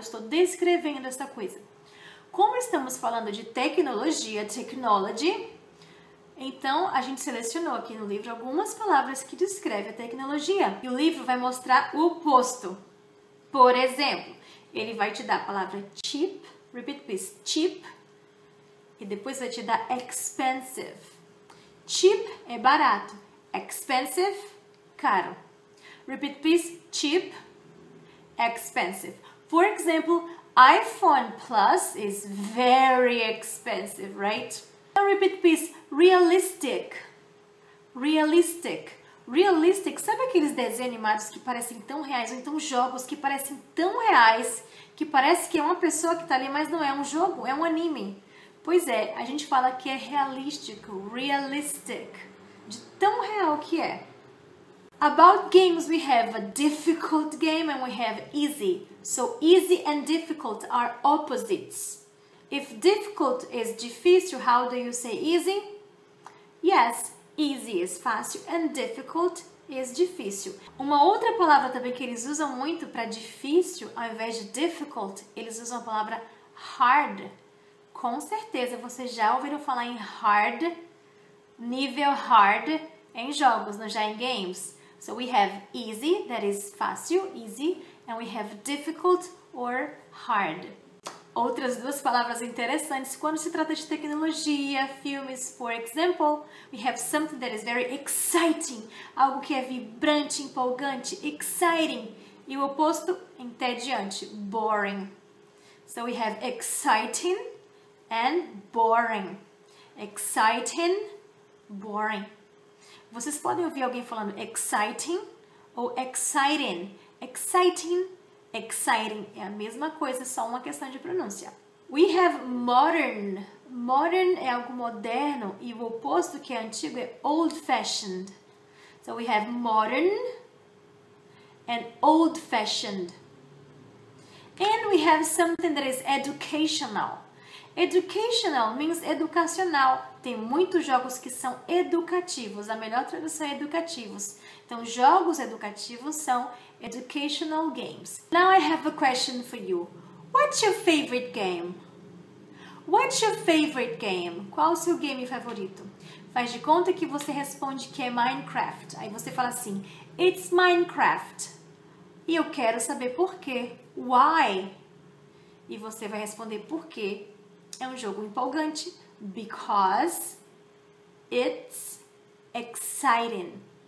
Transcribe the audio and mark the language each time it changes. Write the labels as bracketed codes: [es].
[pt] Estou descrevendo essa coisa. Como estamos falando de tecnologia, technology, então a gente selecionou aqui no livro algumas palavras que descrevem a tecnologia. E o livro vai mostrar o oposto. Por exemplo, ele vai te dar a palavra cheap, [en] repeat please, [pt] cheap, e depois vai te dar expensive. Cheap é barato, expensive, caro. [en] Repeat please, cheap, expensive. For example, iPhone Plus is very expensive, right? Now repeat please, realistic, realistic. [pt] Realistic, sabe aqueles desenhos animados que parecem tão reais, ou então jogos que parecem tão reais, que parece que é uma pessoa que tá ali, mas não é um jogo, é um anime? Pois é, a gente fala que é realístico, realistic, de tão real que é. [en] About games, we have a difficult game and we have easy. So easy and difficult are opposites. If difficult is difícil, how do you say easy? Yes. Easy is fácil and difficult is difícil. [pt] Uma outra palavra também que eles usam muito para difícil, ao invés de difficult, eles usam a palavra hard. Com certeza vocês já ouviram falar em hard, nível hard, em jogos, não já em games. [en] So we have easy, that is fácil, easy, and we have difficult or hard. [pt] Outras duas palavras interessantes quando se trata de tecnologia, filmes, [en] for example, we have something that is very exciting, [pt] algo que é vibrante, empolgante, exciting, e o oposto, entediante, boring. [en] So we have exciting and boring. Exciting, boring. [pt] Vocês podem ouvir alguém falando exciting ou exciting. Exciting, exciting, é a mesma coisa, só uma questão de pronúncia. [en] We have modern. [pt] Modern é algo moderno e o oposto, que é antigo, é old-fashioned. [en] So we have modern and old-fashioned. And we have something that is educational. Educational means educacional. [pt] Tem muitos jogos que são educativos. A melhor tradução é educativos. Então, jogos educativos são [en] educational games. Now I have a question for you. What's your favorite game? What's your favorite game? [pt] Qual o seu game favorito? Faz de conta que você responde que é Minecraft. Aí você fala assim, [en] it's Minecraft. [pt] E eu quero saber por quê. [en] Why? [pt] E você vai responder por quê. É um jogo empolgante. [en] Because it's exciting.